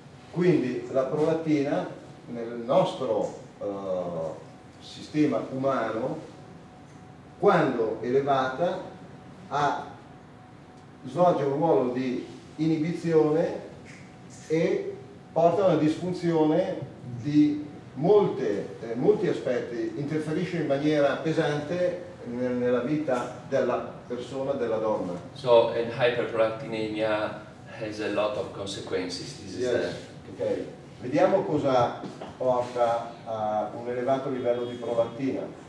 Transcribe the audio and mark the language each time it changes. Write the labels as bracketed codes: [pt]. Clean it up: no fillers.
[it] Quindi la prolattina nel nostro sistema umano, quando elevata, svolge un ruolo di inibizione e porta a una disfunzione di molti aspetti, interferisce in maniera pesante nella vita della persona, della donna. [en] So, and hyperprolactinemia has a lot of consequences. This yes. Is okay. [it] Vediamo cosa porta a un elevato livello di prolattina.